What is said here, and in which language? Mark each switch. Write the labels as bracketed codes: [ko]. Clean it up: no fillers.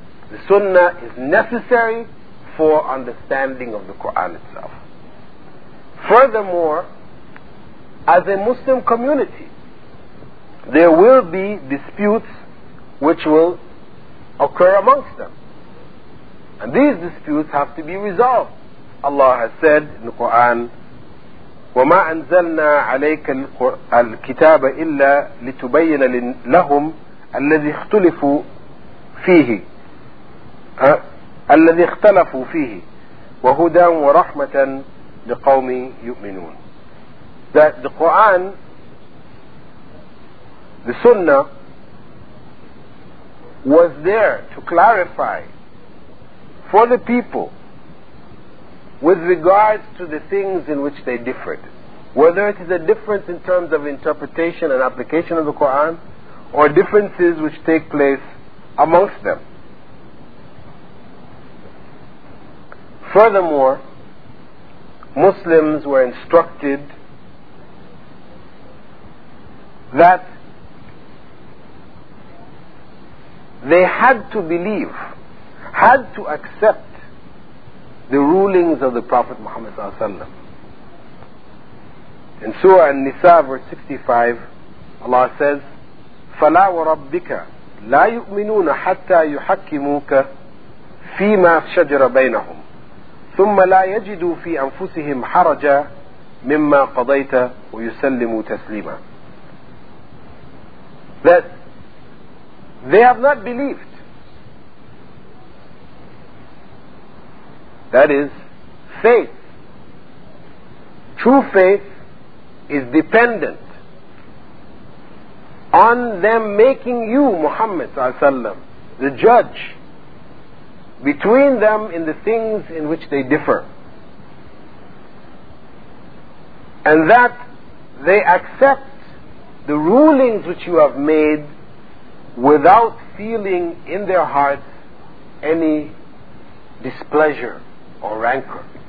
[en] The sunnah is necessary for understanding of the Quran itself. Furthermore, as a Muslim community, there will be disputes which will occur amongst them. And these disputes have to be resolved. Allah has said in the Quran, [ar] وَمَا أَنزَلْنَا عَلَيْكَ الْكِتَابَ إِلَّا لِتُبَيِّنَ لَهُمْ الَّذِي اخْتُلِفُوا فِيهِ الَّذِي اخْتَلَفُوا فِيهِ وَهُدًى وَرَحْمَةً لِقَوْمٍ يُؤْمِنُونَ. [en] That the Quran, the Sunnah, was there to clarify for the people with regards to the things in which they differed, whether it is a difference in terms of interpretation and application of the Quran, or differences which take place amongst them. Furthermore, Muslims were instructed that they had to believe, had to accept the rulings of the Prophet Muhammad sallallahu alaihi wasallam. In Surah An-Nisa, verse 65, Allah says, [ar] فَلَا وَرَبِّكَ لَا يُؤْمِنُونَ حَتَّى يُحَكِّمُوكَ فِي مَا شَجَرَ بَيْنَهُمْ ثُمَّ لَا يَجِدُوا فِي أَنفُسِهِمْ حَرَجًا مِمَّا قَضَيْتَ وَيُسَلِّمُوا تَسْلِيمًا. [en] That they have not believed. That is faith. True faith is dependent on them making you, Muhammad sallallahu alaihi wasallam, the judge between them in the things in which they differ, and that they accept the rulings which you have made without feeling in their hearts any displeasure or rancor.